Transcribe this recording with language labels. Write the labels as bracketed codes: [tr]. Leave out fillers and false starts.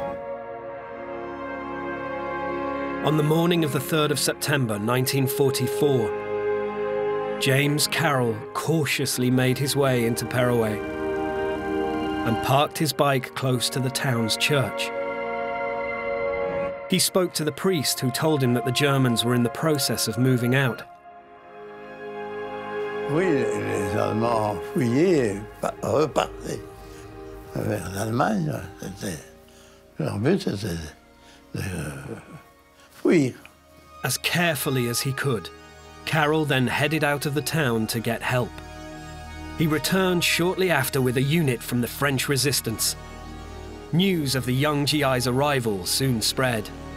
[en] On the morning of the 3rd of September 1944, James Carroll cautiously made his way into Perouet and parked his bike close to the town's church. He spoke to the priest, who told him that the Germans were in the process of moving out. [fr] Oui, les Allemands ont fouillé, repartaient vers l'Allemagne. Leur but, c'était de fuir. [en] As carefully as he could, Carroll then headed out of the town to get help. He returned shortly after with a unit from the French resistance. News of the young GI's arrival soon spread.